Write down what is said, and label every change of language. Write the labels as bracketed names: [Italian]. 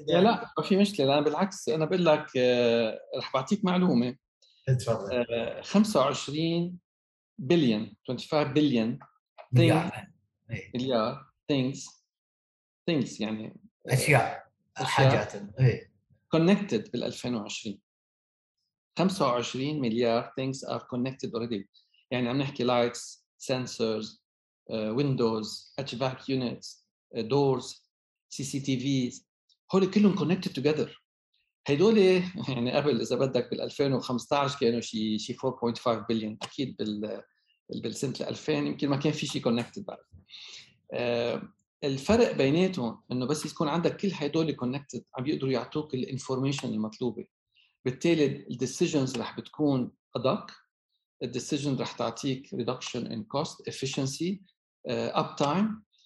[Arabic] لا لا ما في مشكله، انا بالعكس انا بقول لك رح بعطيك معلومه. 25 بليون مليار [English] things [Arabic] يعني أشياء حاجات [English] connected [Arabic] بال [English] 2020. 25 [Arabic] مليار [English] things are connected already. [Arabic] يعني عم نحكي [English] lights, sensors, windows, HVAC units, doors, CCTVs. [Arabic] هول كلهم [English] connected together. [Arabic] هيدولي يعني قبل إذا بدك بال 2015 كانوا شي 4.5 بليون أكيد بالسنة 2000 يمكن ما كان في شي [English] connected [Arabic] بعد. الفرق بيناتهم إنه بس يكون عندك كل هيدولي كونكتد عم يقدروا يعطوك [English] الانفورميشن [Arabic] المطلوبة، بالتالي [English] الديسيجنز [Arabic] رح بتكون أدق، الديسيجن رح تعطيك [English] Reduction in cost, efficiency, uptime.